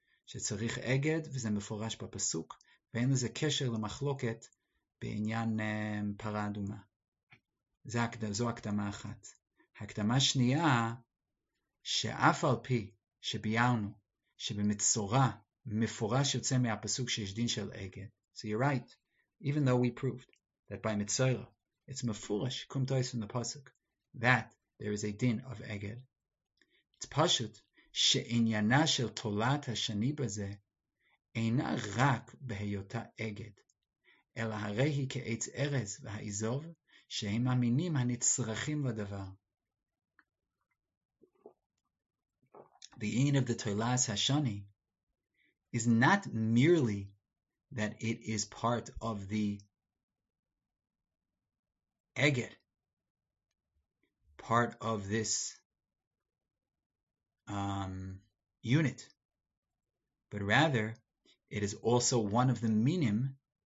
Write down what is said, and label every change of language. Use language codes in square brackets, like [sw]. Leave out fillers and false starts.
[he] שצריך אגד, וזה מפורש בפסוק, ואין לזה קשר למחלוקת בעניין פרה אדומה. זו הקדמה אחת. הקדמה שנייה, שאף על פי שביארנו, שבמצורע מפורש יוצא מהפסוק שיש דין של אגד. [en] So you're right. Even though we proved that by מצורע, it's מפורש, קום תויס from the פסוק, that there is a din of אגד. It's [he] פשוט, שעניינה של תולעת השני בזה אינה רק בהיותה אגד, אלא הרי היא כעץ ארז והאיזוב שהם המינים הנצרכים לדבר. [en] The end of the תולעת השני is not merely that it is part of the אגד, part of this unit, but rather it is also one of the minim.